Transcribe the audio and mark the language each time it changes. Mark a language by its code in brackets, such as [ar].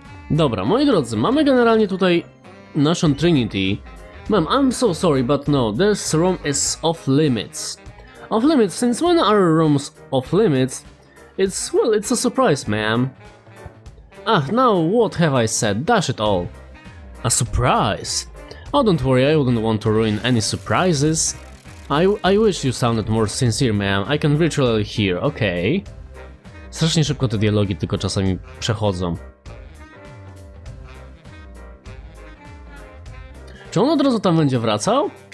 [pl] Dobra, moi drodzy, mamy generalnie tutaj naszą Trinity. [en] Mam, I'm so sorry, but no, this room is off limits. Off limits? Since when are rooms off limits? It's, well, it's a surprise, ma'am. Ah, now what have I said? Dash it all. A surprise? Oh, don't worry, I wouldn't want to ruin any surprises. I wish you sounded more sincere, ma'am. I can virtually hear, okay. [pl] Strasznie szybko te dialogi tylko czasami przechodzą. Czy on od razu tam będzie wracał?